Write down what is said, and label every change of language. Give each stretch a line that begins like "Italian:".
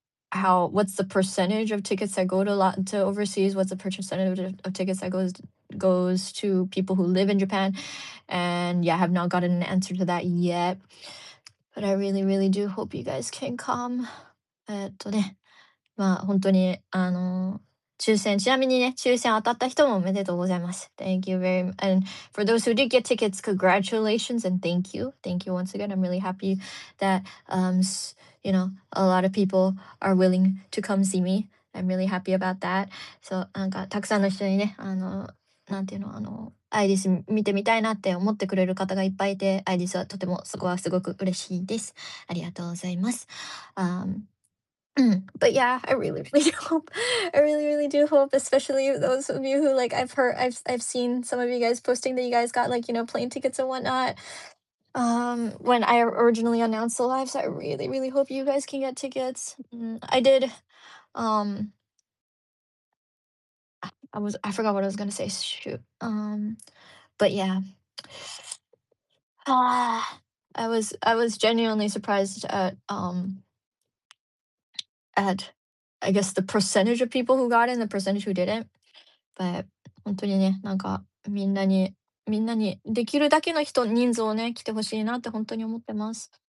English: how, what's the percentage of tickets that go to overseas, what's the percentage of tickets that goes to people who live in Japan. And yeah, I have not gotten an answer to that yet, but I really, really do hope you guys can come.
Japanese: まあ本当にあの抽選、ちなみにね、抽選当たった人もおめでとうございます。
English: Thank you very much. And for those who did get tickets, congratulations and thank you. Thank you once again. I'm really happy that, you know, a lot of people are willing to come see me. I'm really happy about that. So,
Japanese: なんかたくさんの人にね、あの、なんていうの、あの、アイリス見てみたいなって思ってくれる方がいっぱいいて、アイリスはとても、そこはすごく嬉しいです。ありがとうございます。
English: But yeah, I really, really hope. I really, really do hope, especially those of you who, like, I've heard, I've seen some of you guys posting that you guys got, like, you know, plane tickets and whatnot. When I originally announced the lives, I really, really hope you guys can get tickets. I did. I forgot what I was gonna say. Shoot. But yeah. I was genuinely surprised at I guess the percentage of people who got in, the percentage who didn't. But
Japanese: 本当にね、なんかみんなにできるだけの人人数をね来てほしいなって本当に思ってます。